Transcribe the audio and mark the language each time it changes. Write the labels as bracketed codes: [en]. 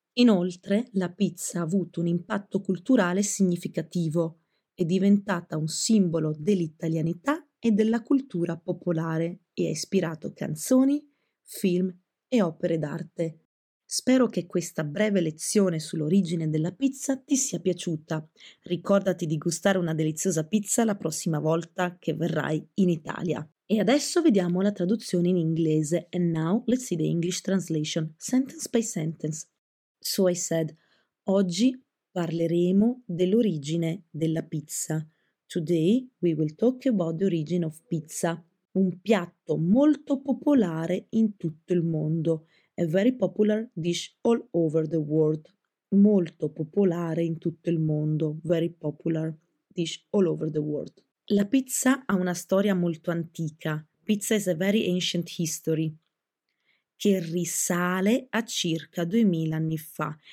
[it] Inoltre, la pizza ha avuto un impatto culturale significativo, è diventata un simbolo dell'italianità e della cultura popolare e ha ispirato canzoni, film e opere d'arte. Spero che questa breve lezione sull'origine della pizza ti sia piaciuta. Ricordati di gustare una deliziosa pizza la prossima volta che verrai in Italia. E adesso vediamo la traduzione in inglese. [en] And now let's see the English translation, sentence by sentence. So I said, [it] oggi parleremo dell'origine della pizza. [en] Today we will talk about the origin of pizza. [it] Un piatto molto popolare in tutto il mondo. [en] A very popular dish all over the world. [it] Molto popolare in tutto il mondo. [en] Very popular dish all over the world. [it] La pizza ha una storia molto antica. [en] Pizza is a very ancient history. [it] Che risale a circa 2000 anni fa.